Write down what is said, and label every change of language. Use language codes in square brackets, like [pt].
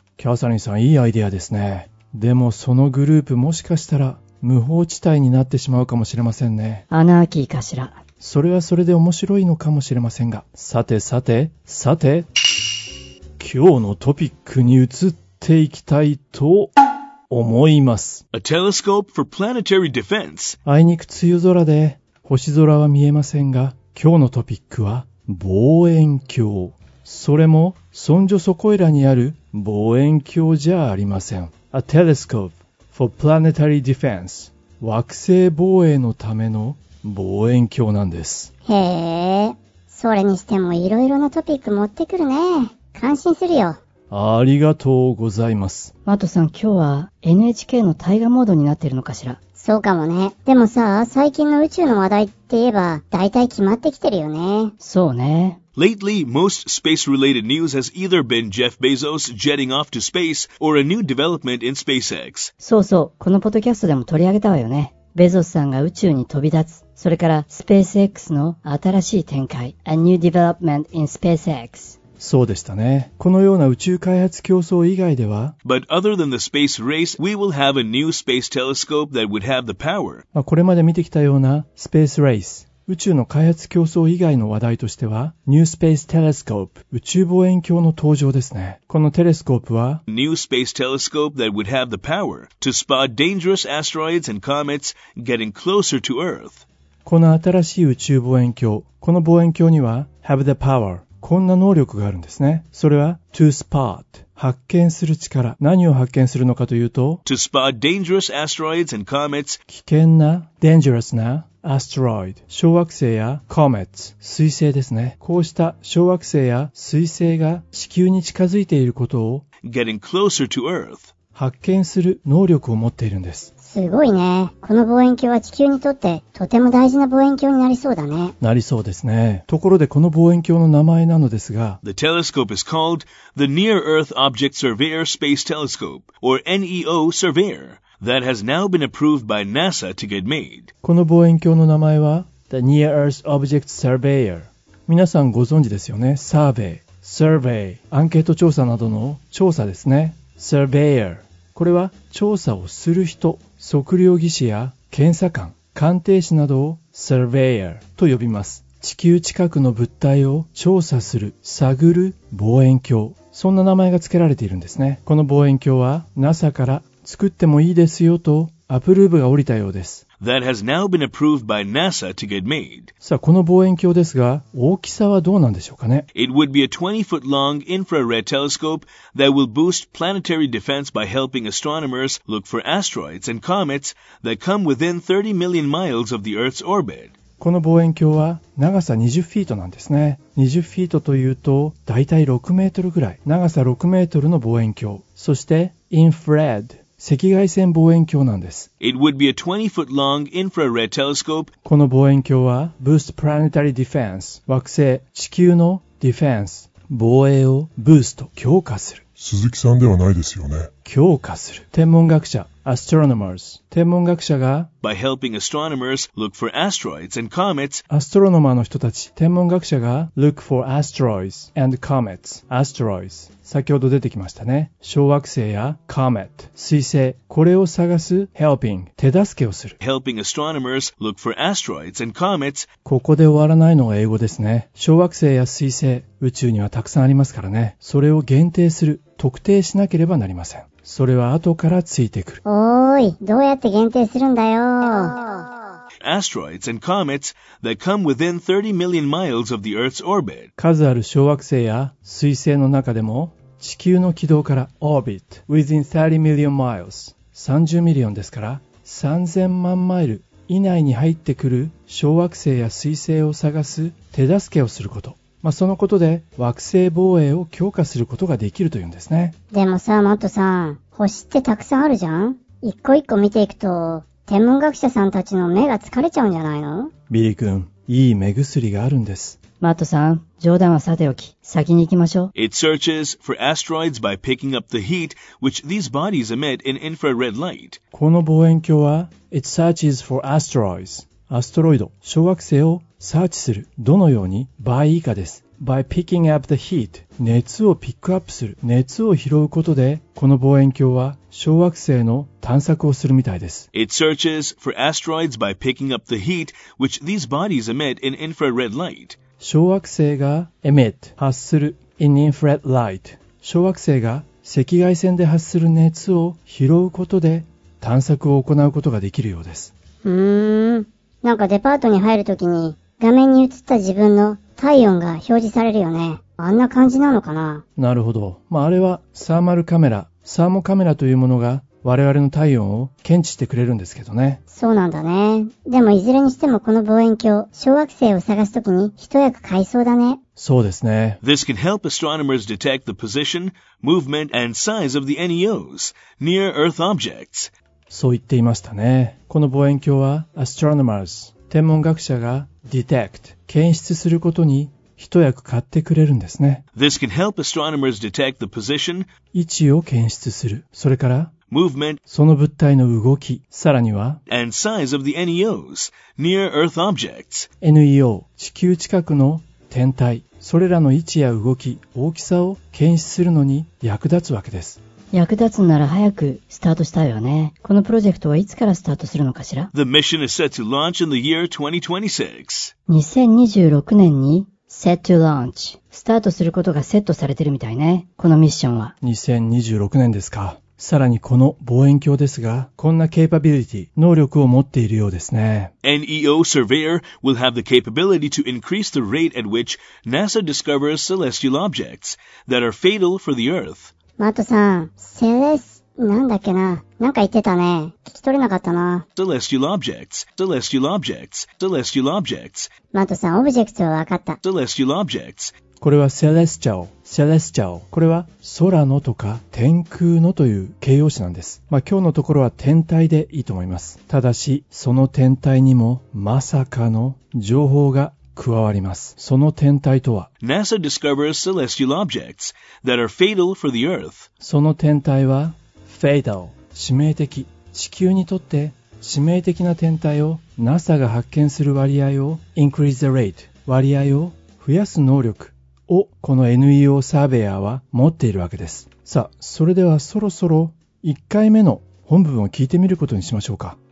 [ja] キャサリンさん、いいアイデアですね。でもそのグループ、もしかしたら無法地帯になってしまうかもしれませんね。アナーキーかしら。それはそれで面白いのかもしれませんが、さてさてさて、今日のトピックに移っていきたいと思います。 [en] A telescope for planetary defense. [ja] あいにく梅雨空で星空は見えませんが、今日のトピックは望遠鏡。それもソンジョソコイラにある望遠鏡じゃありません。 [en] A telescope for planetary defense. [ja] 惑星防衛のための望遠鏡なんです。へえ、それにしてもいろいろなトピック持ってくるね。感心するよ。ありがとうございます。マトさん、今日は NHK の大河モードになってるのかしら。そうかもね。でもさ、最近の宇宙の話題って言えば大体決まってきてるよね。そうね。 [en] Lately, most space-related news has either been Jeff Bezos jetting off to space or a new development in SpaceX. [ja] そうそう、このポッドキャストでも取り上げたわよね。ベゾスさんが宇宙に飛び立つ、それから SpaceX の新しい展開、 [en] A new development in SpaceX。 [ja] そうでしたね。このような宇宙開発競争以外では、 [en] But other than the space race, we will have a new space telescope that would have the power. [ja] まあこれまで見てきたようなスペースレース、宇宙の開発競争以外の話題としては、 [en] New Space Telescope、 [ja] 宇宙望遠鏡の登場ですね。このテレスコープは、 [en] New Space Telescope that would have the power to spot dangerous asteroids and comets getting closer to Earth. [ja] この新しい宇宙望遠鏡、この望遠鏡には、 [en] have the power、 [ja] こんな能力があるんですね。それは、 [en] to spot、 [ja] 発見する力。何を発見するのかというと、 [en] to spot dangerous asteroids and comets、 [ja] 危険な、dangerous な、asteroid 小惑星や comet 彗星ですね。こうした小惑星や彗星が地球に近づいていることを [en] getting closer to Earth [ja] 発見する能力を持っているんです。すごいね。この望遠鏡は地球にとってとても大事な望遠鏡になりそうだね。なりそうですね。ところでこの望遠鏡の名前なのですが、 [en] The telescope is called the Near Earth Object Surveyor Space Telescope or NEO Surveyor that has now been approved by NASA to get made. [ja] この望遠鏡の名前は The Near Earth Object Surveyor。皆さんご存知ですよね。サーベイ、サーベイ、アンケート調査などの調査ですね。 Surveyor、これは調査をする人、測量技師や検査官、鑑定士などをサーベイヤーと呼びます。地球近くの物体を調査する、探る望遠鏡。そんな名前が付けられているんですね。この望遠鏡は NASA から作ってもいいですよとアプローブが降りたようです。 [en] That has now been approved by NASA to get made. [ja] さあこの望遠鏡ですが大きさはどうなんでしょうかね。 [en] It would be a 20-foot long infrared telescope that will boost planetary defense by helping astronomers look for asteroids and comets that come within 30 million miles of the Earth's orbit. [ja] この望遠鏡は長さ20フィートなんですね。20フィートというとだいたい6メートルぐらい。長さ6メートルの望遠鏡。そして infrared赤外線望遠鏡なんです。 [en] It would be a 20-foot long infrared telescope. [ja] この望遠鏡は [en] Boost Planetary Defense [ja] 惑星、地球の Defense 防衛をブースト、強化する。鈴木さんではないですよね。強化する。天文学者 Astronomers 天文学者が [en] By helping astronomers look for asteroids and comets [ja] アストロノマーの人たち、天文学者が [en] Look for asteroids and comets [ja] Asteroids 先ほど出てきましたね。小惑星や Comet 彗星、これを探す Helping 手助けをする。 [en] Helping astronomers look for asteroids and comets [ja] ここで終わらないのが英語ですね。小惑星や彗星、宇宙にはたくさんありますからね。それを限定する、特定しなければなりません。それは後からついてくる。おーい、どうやって限定するんだよ。 [en] Asteroids and comets that come within 30 million miles of the Earth's orbit [ja] 数ある小惑星や彗星の中でも地球の軌道から Orbit [en] within 30 million miles [ja] 30ミリオンですから3000万マイル以内に入ってくる小惑星や彗星を探す手助けをすること、まあ、そのことで惑星防衛を強化することができるというんですね。でもさ、マットさん、星ってたくさんあるじゃん。一個一個見ていくと天文学者さんたちの目が疲れちゃうんじゃないの。ビリ君、いい目薬があるんです。マットさん、冗談はさておき、先に行きましょう。 [en] It searches for asteroids by picking up the heat which these bodies emit in infrared light. [ja] この望遠鏡は [en] It searches for asteroids [ja] アストロイド、小惑星をサーチする。どのように。by 以下です。 [en] by picking up the heat [ja] 熱をピックアップする、熱を拾うことでこの望遠鏡は小惑星の探索をするみたいです。 [en] It searches for asteroids by picking up the heat which these bodies emit in infrared light [ja] 小惑星が emit 発する [en] in infrared light [ja] 小惑星が赤外線で発する熱を拾うことで探索を行うことができるようです。なんかデパートに入るときに画面に映った自分の体温が表示されるよね。あんな感じなのかな。なるほど。まあ、あれはサーマルカメラ、サーモカメラというものが我々の体温を検知してくれるんですけどね。そうなんだね。でもいずれにしてもこの望遠鏡、小惑星を探すときに一役買いそうだね。そうですね。 [en] This can help astronomers detect the position, movement and size of the NEOs, near Earth objects. [ja] そう言っていましたね。この望遠鏡は astronomers 天文学者が detect 検出することに一役買ってくれるんですね。 [en] This can help astronomers detect the position [ja] 位置を検出する、それから [en] movement [ja] その物体の動き、さらには [en] and size of the NEOs near earth objects [ja] NEO 地球近くの天体、それらの位置や動き、大きさを検出するのに役立つわけです。役立つなら早くスタートしたいわね。このプロジェクトはいつからスタートするのかしら。 [en] The mission is set to launch in the year 2026. [ja] 2026年に [en] set to launch [ja] スタートすることがセットされてるみたいね。このミッションは 2026年ですか。さらにこの望遠鏡ですが、こんなケイパビリティ、能力を持っているようですね。 [en] NEO Surveyor will have the capability to increase the rate at which NASA discovers celestial objects that are fatal for the Earth。 [ja] マットさん、セレスなんだっけな、なんか言ってたね。聞き取れなかったな。 [en] Celestial objects. Celestial objects. Celestial objects. [ja] マトさん、オブジェクトは分かった。 [en] Celestial objects. [ja] これはセレスチャオ。セレスチャオ。これは空のとか天空のという形容詞なんです。まあ今日のところは天体でいいと思います。ただし、その天体にもまさかの情報が加わります。その天体とは、 [en] NASA discovers celestial objects that are fatal for the Earth. [ja] その天体は、fatal、致命的。地球にとって致命的な天体を NASA が発見する割合を [en] increase the rate、 [ja] 割合を増やす能力をこの NEO サーベイヤーは持っているわけです。さあ、それではそろそろ1回目の本文を聞いてみることにしましょうか。